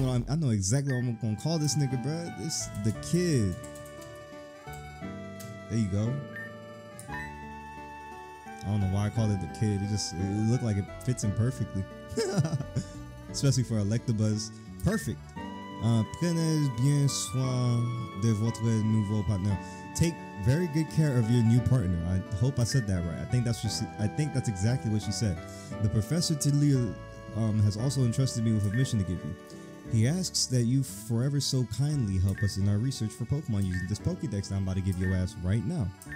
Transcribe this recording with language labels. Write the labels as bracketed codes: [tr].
[en] I know exactly what I'm gonna call this nigga, bruh. This the kid. There you go. I don't know why I call it the kid. It looked like it fits in perfectly. Especially for Electabuzz. Perfect. [fr] Prenez bien soin de votre nouveau partner. [en] take very good care of your new partner. I hope I said that right. I think that's exactly what she said. The professor Tilia has also entrusted me with a mission to give you. He asks that you forever so kindly help us in our research for Pokemon using this Pokedex that I'm about to give your ass right now.